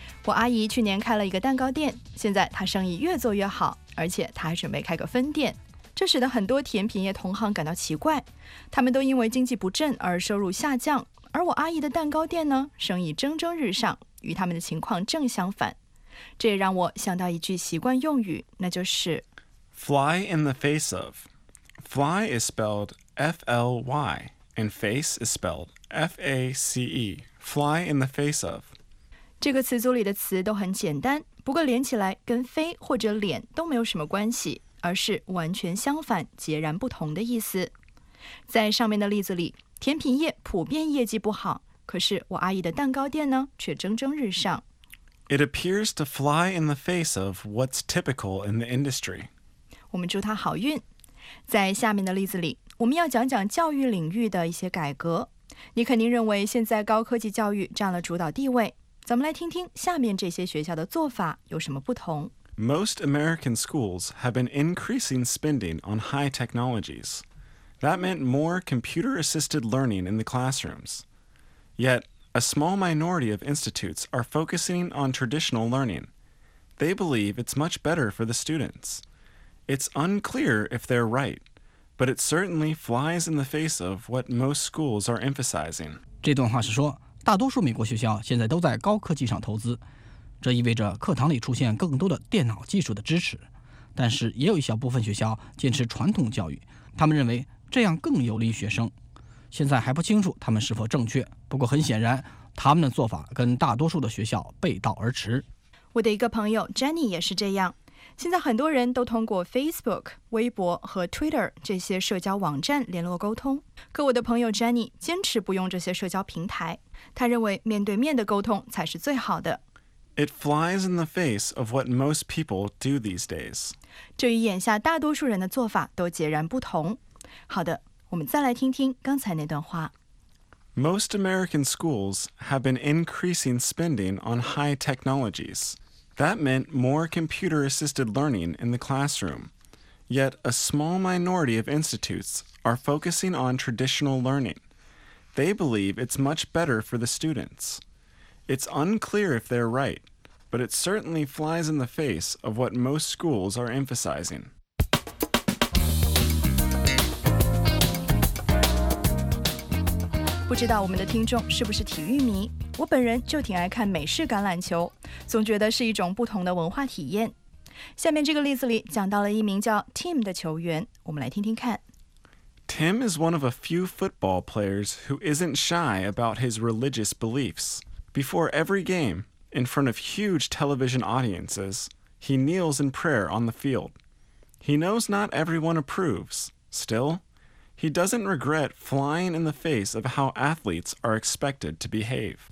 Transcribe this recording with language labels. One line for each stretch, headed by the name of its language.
Chinese: 我阿姨去年开了一个蛋糕店，现在她生意越做越好，而且她还准备开个分店，这使得很多甜品业同行感到奇怪，他们都因为经济不振而收入下降，而我阿姨的蛋糕店呢，生意蒸蒸日上，与他们的情况正相反。这也让我想到一句习惯用语，那就是
English: Fly in the face of. Fly is spelledFLY, and face is spelled FACE, fly in the face of.
Chinese: 这个词组里的词都很简单，不过连起来跟飞或者脸都没有什么关系，而是完全相反，截然不同的意思。在上面的例子里，甜品业普遍业绩不好，可是我阿姨的蛋糕店呢，却蒸蒸日上。
English: It appears to fly in the face of what's typical in the industry.
Chinese: 我们祝她好运。在下面的例子里，我们要讲讲教育领域的一些改革。你肯定认为现在高科技教育占了主导地位。咱们来听听下面这些学校的做法有什么不同。
English: Most American schools have been increasing spending on high technologies. That meant more computer-assisted learning in the classrooms. Yet, a small minority of institutes are focusing on traditional learning. They believe it's much better for the students. It's unclear if they're right. But it certainly flies in the face of what most schools are emphasizing.
Chinese: 这段话是说，大多数美国学校现在都在高科技上投资，这意味着课堂里出现更多的电脑技术的支持。但是也有一小部分学校坚持传统教育，他们认为这样更有利于学生。现在还不清楚他们是否正确，不过很显然，他们的做法跟大多数的学校背道而驰。我的一个朋友 Jenny 也是这样。现在很多人都通过 Facebook、微博和 Twitter 这些社交网站联络沟通，可我的朋友 Jenny 坚持不用这些社交平台，她认为面对面的沟通才是最好的。
English: It flies in the face of what most people do these days.
Chinese: 这与眼下大多数人的做法都截然不同。好的，我们再来听听刚才那段话。
English: Most American schools have been increasing spending on high technologies. That meant more computer-assisted learning in the classroom. Yet, a small minority of institutes are focusing on traditional learning. They believe it's much better for the students. It's unclear if they're right, but it certainly flies in the face of what most schools are emphasizing.
Chinese: 不知道我们的听众是不是体育迷？我本人就挺爱看美式橄榄球，总觉得是一种不同的文化体验。下面这个例子里讲到了一名叫 Tim 的球员，我们来听听看。
English: Tim is one of a few football players who isn't shy about his religious beliefs. Before every game, in front of huge television audiences, he kneels in prayer on the field. He knows not everyone approves. Still, he doesn't regret flying in the face of how athletes are expected to behave.